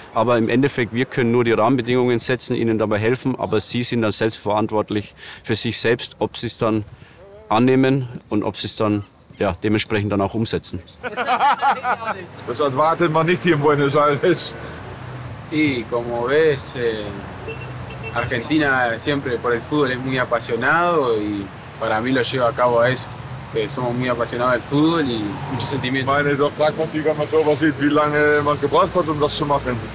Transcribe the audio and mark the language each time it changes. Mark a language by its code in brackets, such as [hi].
[de] Aber im Endeffekt, wir können nur die Rahmenbedingungen setzen, ihnen dabei helfen. Aber sie sind dann selbstverantwortlich für sich selbst, ob sie es dann annehmen und ob sie es dann ja, dementsprechend dann auch umsetzen. Das erwartet man nicht hier in Buenos Aires. [es] Y como ves, Argentina siempre por el fútbol es muy apasionado y para mí lo lleva a cabo a eso. Okay, somos muy apasionados del fútbol y muchos sentimientos. [de] Meine, da fragt man sich immer so, was wie lange man gebraucht hat, um das zu machen.